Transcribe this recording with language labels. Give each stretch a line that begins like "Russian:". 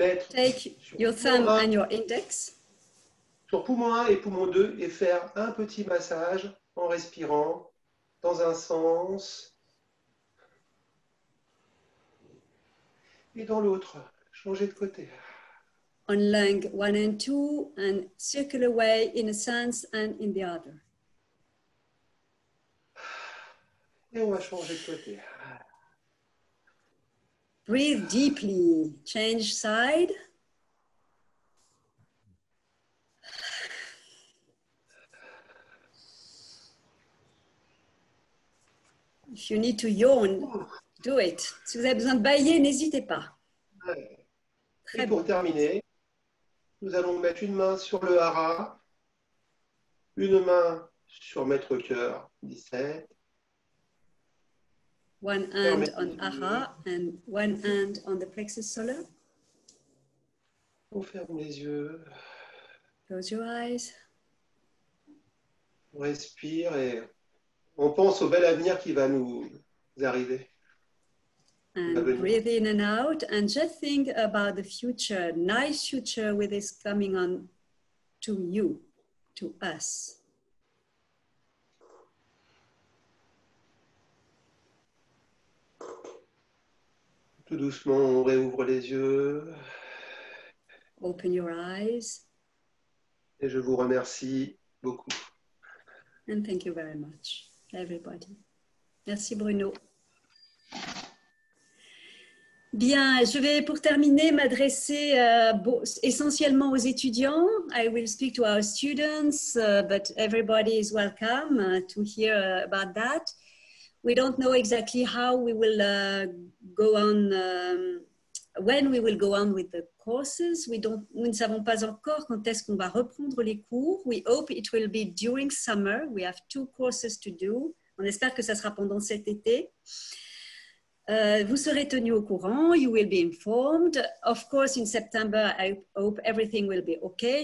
English: Take your thumb and your index.
French: Sur poumon 1 et poumon 2 et faire un petit massage en respirant dans un sens et dans l'autre. Changez de côté.
English: On lung 1 and 2 and circle away in a sense and in the other.
French: Et on va changer de côté.
English: Breathe deeply. Change side. If you need to yawn, do it.
French: Si vous avez besoin de bâiller, n'hésitez pas. Et pour terminer, nous allons mettre une main sur le hara, une main sur Maître Cœur, 17.
English: One hand on hara and one hand on the plexus solar.
French: On ferme les yeux.
English: Close your eyes.
French: On respire et on pense au bel avenir qui va nous arriver.
English: And breathe in and out and just think about the future, nice future with this coming on to you, to us.
French: Tout doucement, on réouvre les yeux.
English: Open your eyes.
French: Et je vous remercie beaucoup.
English: And thank you very much, everybody.
French: Merci Bruno. Bien, je vais pour terminer m'adresser essentiellement aux étudiants.
English: I will speak to our students, but everybody is welcome to hear about that. We don't know exactly how we will go on, when we will go on with the courses.
French: Nous ne savons pas encore quand est-ce qu'on va reprendre les cours.
English: We hope it will be during summer. We have two courses to do.
French: On espère que ça sera pendant cet été. Vous serez tenu au courant,
English: you will be informed. Of course, in September, I hope everything will be okay.